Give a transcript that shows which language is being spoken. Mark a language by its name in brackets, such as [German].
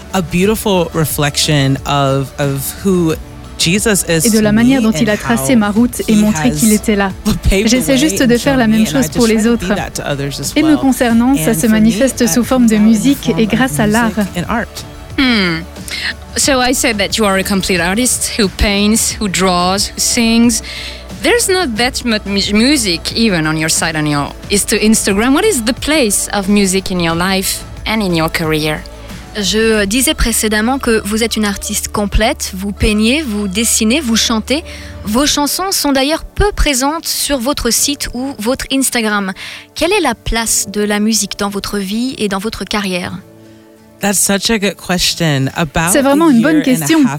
[English] A beautiful reflection of who Jesus is [French] et de la manière dont il a tracé ma route et montré qu'il était là. J'essaie juste de faire la même chose pour les autres. Et me concernant, ça se manifeste sous forme de musique et grâce à l'art. [English] So I said that you are a complete artist who paints, who draws, who sings. There's not that much music even on your site, on your Instagram. What is the place of music in your life and in your career? [French] Je disais précédemment que vous êtes une artiste complète, vous peignez, vous dessinez, vous chantez. Vos chansons sont d'ailleurs peu présentes sur votre site ou votre Instagram. Quelle est la place de la musique dans votre vie et dans votre carrière ? C'est vraiment une bonne question.